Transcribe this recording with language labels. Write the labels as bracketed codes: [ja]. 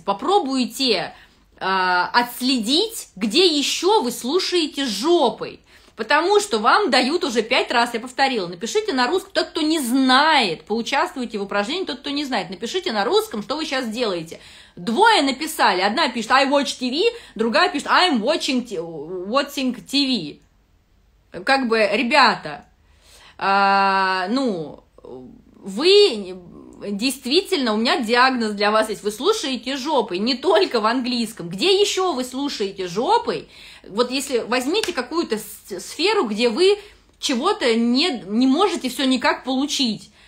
[ru] Попробуйте отследить, где еще вы слушаете жопой. Потому что вам дают уже 5 раз, я повторила, напишите на русском, тот, кто не знает, поучаствуйте в упражнении, тот, кто не знает, напишите на русском, что вы сейчас делаете. Двое написали. Одна пишет [en] I watch TV, [ru] другая пишет [en] I'm watching, watching TV. [ru] Как бы, ребята, ну, вы действительно, у меня диагноз для вас есть. Вы слушаете жопой, не только в английском. Где еще вы слушаете жопой? Вот если возьмите какую-то сферу, где вы чего-то не можете все никак получить.